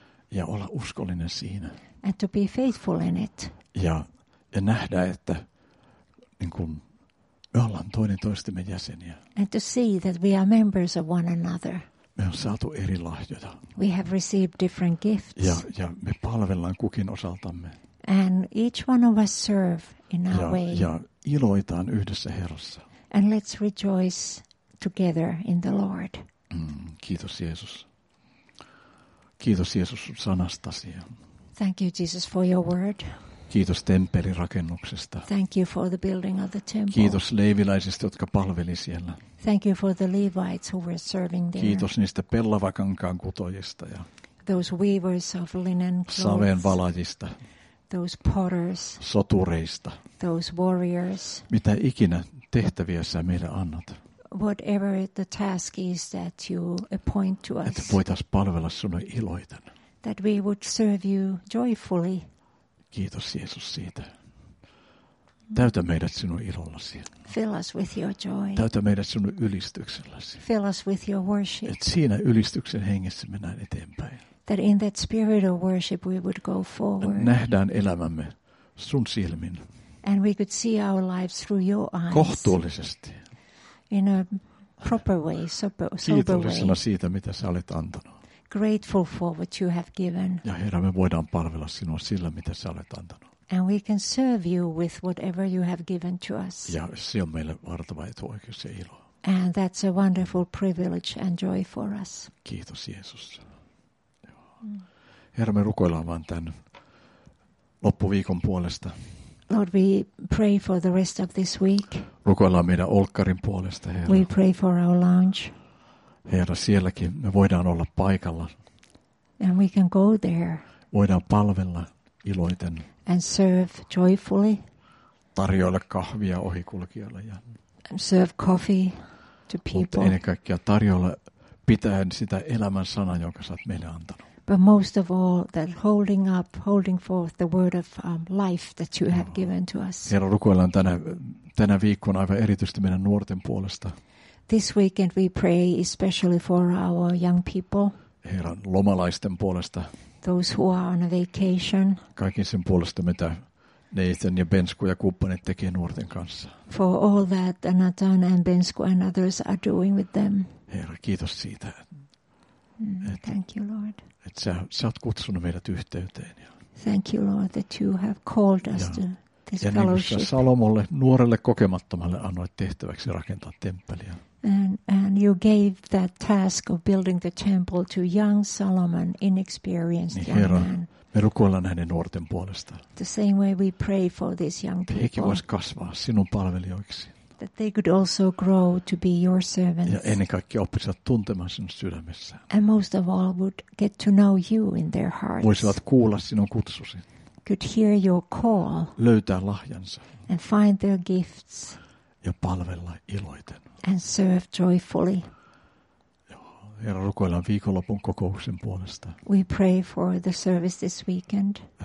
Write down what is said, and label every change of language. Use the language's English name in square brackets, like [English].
[Finnish] Ja olla uskollinen siinä. [English] And to be faithful in it. [Finnish] Ja nähdä, että niin kuin me ollaan toinen toistemme jäseniä. [English] And to see that we are members of one another. [Finnish] Me on saatu eri lahjoja. [English] We have received different gifts. [Finnish] Ja me palvellaan kukin osaltamme. [English] And each one of us serve in our way. [Finnish] Ja iloitaan yhdessä Herrassa. [English] And let's rejoice together in the Lord. [Finnish] Kiitos Jeesus. Kiitos Jeesus sanastasi. [English] Thank you Jesus for your word. [Finnish] Kiitos temppelin rakennuksesta. [English] Thank you for the building of the temple. [Finnish] Kiitos leiviläisistä, jotka palveli siellä. [English] Thank you for the Levites who were serving there. [Finnish] Kiitos niistä pellavakankaan kutojista ja [English] those weavers of linen clothes. [Finnish] Saveen valajista. [English] Those potters. [Finnish] Sotureista. [English] Those warriors. [Finnish] Mitä ikinä tehtäviä sä meille annat. [English] Whatever the task is that you appoint to us. [Finnish] Että voitais palvella sinua iloiten. [English] That we would serve you joyfully. [Finnish] Kiitos Jeesus siitä. Täytä meidät sinun ilollasi. [English] Fill us with your joy. [Finnish] Täytä meidät sinun ylistykselläsi. [English] Fill us with your worship. [Finnish] Et siinä ylistyksen hengessä mennään eteenpäin. [English] That in that spirit of worship we would go forward. [Finnish] Nähdään elämämme sun silmin. [English] And we could see our lives through your eyes. [Finnish] Kohtuullisesti. [English] In a proper way, sober way. [Finnish] Kiitollisena siitä, mitä sä olet antanut. [English] Grateful for what you have given. [Finnish] Ja Herra, me voidaan palvella sinua sillä, mitä sä olet antanut. [English] And we can serve you with whatever you have given to us. [Finnish] Ja se on meille valtava etuoikeus ja ilo. [English] And that's a wonderful privilege and joy for us. [Finnish] Kiitos Jeesus. Herra, me rukoillaan vaan tämän loppuviikon puolesta. [English] Lord, we pray for the rest of this week. [Finnish] Rukoillaan meidän Olkkarin puolesta, Herra. [English] We pray for our lounge. [Finnish] Herra, sielläkin me voidaan olla paikalla. [English] And we can go there. [Finnish] Voidaan palvella iloiten. [English] And serve joyfully. [Finnish] Tarjoilla kahvia ohikulkijalle ja [English] serve coffee to people. [Finnish] Mutta ennen kaikkea tarjolla pitäen sitä elämän sanaa, jonka sä oot meille antanut. [English] But most of all, that holding up, holding forth the word of life that you have given to us. [Finnish] Herra, rukoillaan tänä viikkoon aivan erityisesti meidän nuorten puolesta. [English] This weekend we pray especially for our young people. [Finnish] Herra, lomalaisten puolesta. [English] Those who are on a vacation. [Finnish] Kaikin sen puolesta, mitä Nathan ja Bensku ja kumppanit tekee nuorten kanssa. [English] For all that Nathan and Bensku and others are doing with them. [Finnish] Herra, kiitos siitä. [English] Thank you, Lord. [Finnish] Että sä oot kutsunut meidät yhteyteen. [English] Thank you, Lord, that you have called us to this fellowship. [Finnish] Ja niin Salomolle, nuorelle kokemattomalle, annoit tehtäväksi rakentaa temppeliä. [English] And you gave that task of building the temple to young Solomon, inexperienced [Finnish] niin, Herra, [English] young man. [Finnish] Me rukoillaan hänen nuorten puolesta. [English] The same way we pray for these young people. [Finnish] Hekin vois kasvaa sinun palvelijoiksi. [English] That they could also grow to be your servants. [Finnish] Ja ennen kaikkea oppisivat tuntemaan sinun sydämessään. [English] And most of all would get to know you in their hearts. [Finnish] Voisivat kuulla sinun kutsusi. [English] Could hear your call. [Finnish] Löytää lahjansa. [English] And find their gifts. [Finnish] Ja palvella iloiten. [English] And serve joyfully. [Finnish] Herra, rukoillaan viikonlopun kokouksen puolesta. [English] We pray for the service this weekend.